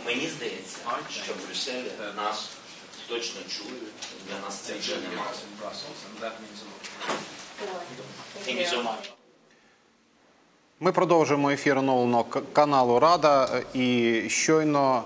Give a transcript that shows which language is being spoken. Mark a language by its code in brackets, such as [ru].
[uk] Мені здається, що в Брюсселі нас точно чують. Для нас це вже немає. [en] Thank you in Brussels, and that means a lot. Thank you so much. [uk] Ми продовжуємо ефір оновленого каналу «Рада» і щойно